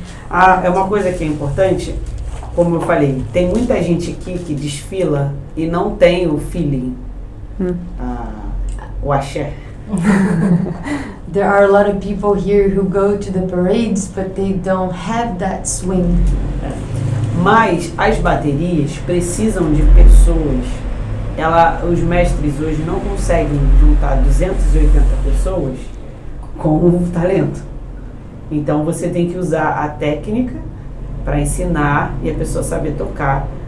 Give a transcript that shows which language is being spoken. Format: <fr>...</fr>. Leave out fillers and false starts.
<pt>Ah, é uma coisa que é importante, como eu falei, tem muita gente aqui que desfila e não tem o feeling, o axé.</pt> <en>There are a lot of people here who go to the parades, but they don't have that swing.</en> <pt>Mas as baterias precisam de pessoas. Os mestres hoje não conseguem juntar 280 pessoas com um talento. Então você tem que usar a técnica para ensinar e a pessoa saber tocar.</pt>